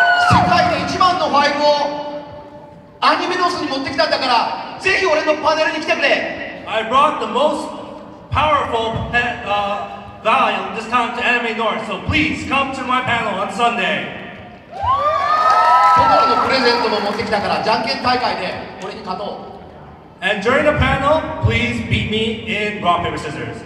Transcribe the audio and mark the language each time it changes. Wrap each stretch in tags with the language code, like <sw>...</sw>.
<ja>世界で一番のファイルをアニメノスに持ってきたんだから、ぜひ俺のパネルに来てくれ.</ja> <en>I brought the most powerful file this time to Anime North, so please come to my panel on Sunday.</en> <ja>トトロのプレゼントも持ってきたから、じゃんけん大会で俺に勝とう。</ja> <en>And during the panel, please beat me in rock, paper, scissors.</en>